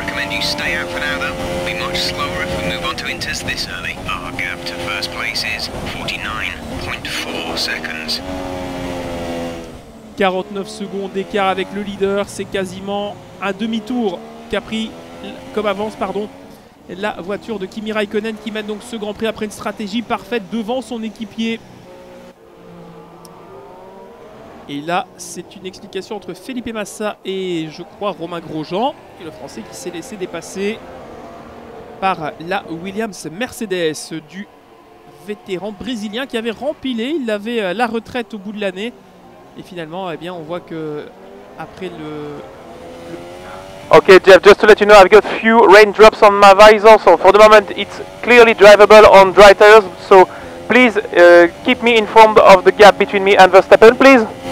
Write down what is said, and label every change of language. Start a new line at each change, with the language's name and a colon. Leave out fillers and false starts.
English: You stay out for now though. We'll be much slower if we move on to inters this early. Our gap to first place is 49.4 seconds.
French: 49 secondes d'écart avec le leader, c'est quasiment un demi-tour qu'a pris comme avance pardon la voiture de Kimi Raikkonen qui mène donc ce Grand Prix après une stratégie parfaite devant son équipier. Et là, c'est une explication entre Felipe Massa et, je crois, Romain Grosjean, le Français qui s'est laissé dépasser par la Williams Mercedes du vétéran brésilien qui avait rempilé, il avait la retraite au bout de l'année. Et finalement, eh bien, on voit que après le...
English: Ok, Jeff, just to let you know, I've got a few raindrops on my visor, so for the moment, it's clearly drivable on dry tires, so please keep me informed of the gap between me and Verstappen, please.